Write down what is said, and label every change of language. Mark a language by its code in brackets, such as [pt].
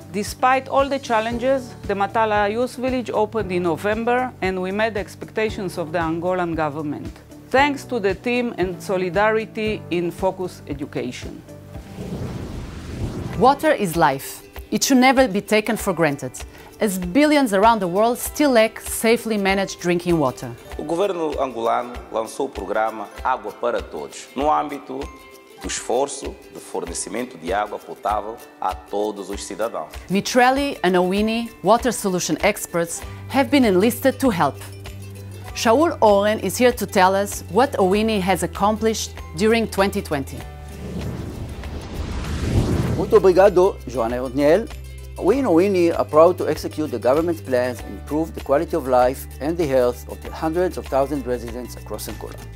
[en] Despite all the challenges, the Matala Youth Village opened in November and we met the expectations of the Angolan government. Thanks to the team and solidarity in Focus Education. Water is life. It should never be taken for granted, as billions around the world still lack safely managed drinking water. [pt] O governo angolano lançou o programa Água para Todos, no âmbito do esforço de fornecimento de água potável a todos os cidadãos. [en] Mitrelli and Owini, water solution experts, have been enlisted to help. Shaul Oren is here to tell us what Owini has accomplished during 2020. [pt] Muito obrigado, Joana e Daniel. [en] We in Owini are proud to execute the government's plans and improve the quality of life and the health of the hundreds of thousands of residents across Angola.